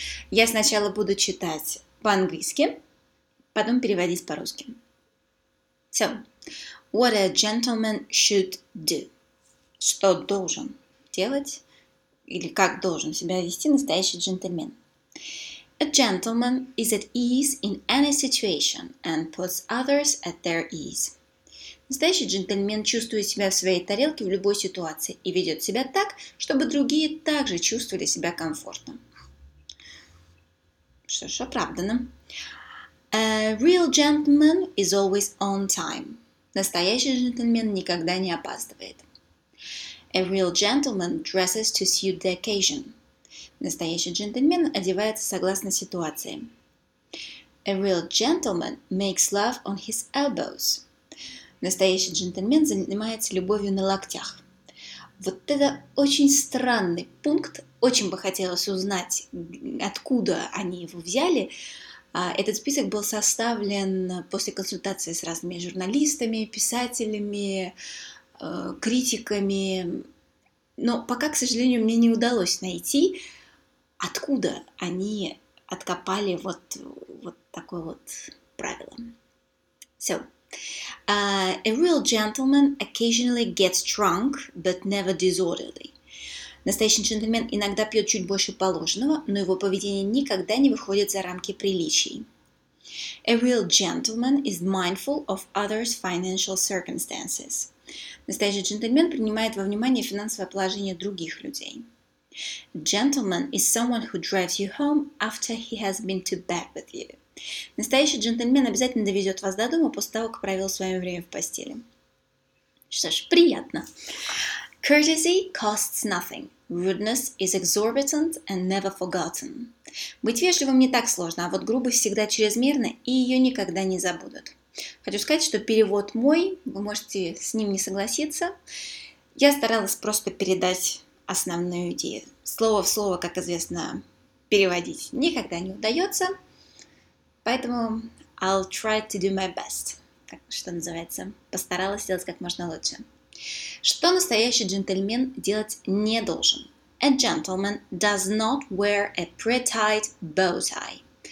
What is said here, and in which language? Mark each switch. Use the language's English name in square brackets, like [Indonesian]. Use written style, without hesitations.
[Russian] Я сначала буду читать по-английски, потом переводить по-русски. [English] So, what a gentleman should do. [Russian] Что должен делать или как должен себя вести настоящий джентльмен. [English] A gentleman is at ease in any situation and puts others at their ease. [Russian] Настоящий джентльмен чувствует себя в своей тарелке в любой ситуации и ведет себя так, чтобы другие также чувствовали себя комфортно. Что ж, оправдано. [English] A real gentleman is always on time. [Russian] Настоящий джентльмен никогда не опаздывает. [English] A real gentleman dresses to suit the occasion. [Russian] Настоящий джентльмен одевается согласно ситуации. [English] A real gentleman makes love on his elbows. [Russian] Настоящий джентльмен занимается любовью на локтях. Вот это очень странный пункт. Очень бы хотелось узнать, откуда они его взяли. Этот список был составлен после консультации с разными журналистами, писателями, критиками. Но пока, к сожалению, мне не удалось найти, откуда они откопали вот такое вот правило. [English] So, a real gentleman occasionally gets drunk, but never disorderly. [Russian] Настоящий джентльмен иногда пьет чуть больше положенного, но его поведение никогда не выходит за рамки приличий. [English] A real gentleman is mindful of others' financial circumstances. [Russian] Настоящий джентльмен принимает во внимание финансовое положение других людей. [English] Gentleman is someone who drives you home after he has been to bed with you. [Russian] Настоящий джентльмен обязательно довезет вас до дома после того, как провел с вами время в постели. Что ж, приятно. [English] Courtesy costs nothing. Rudeness is exorbitant and never forgotten. [Russian] Быть вежливым не так сложно, а вот грубость всегда чрезмерна, и ее никогда не забудут. Хочу сказать, что перевод мой, вы можете с ним не согласиться. Я старалась просто передать основную идею. Слово в слово, как известно, переводить никогда не удается. Поэтому [English] I'll try to do my best. [Russian] Что называется, постаралась сделать как можно лучше. Что настоящий джентльмен делать не должен? [English] A gentleman does not wear a pre-tied bow tie.